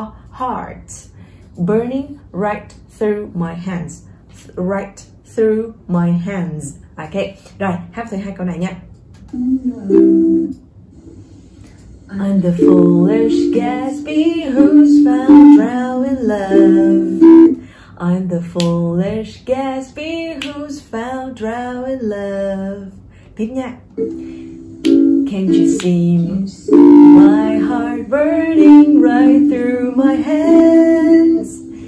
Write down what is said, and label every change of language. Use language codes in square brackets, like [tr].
[en] heart, burning right through my hands, right through my hands. [vi] Ok, rồi, hát thử hai câu này nhé. [en] I'm the foolish Gatsby who's found drowning love. I'm the foolish Gatsby who's found drowning love. [vi] Tiếp nha. [en] Can't you see my heart burning right through my hands?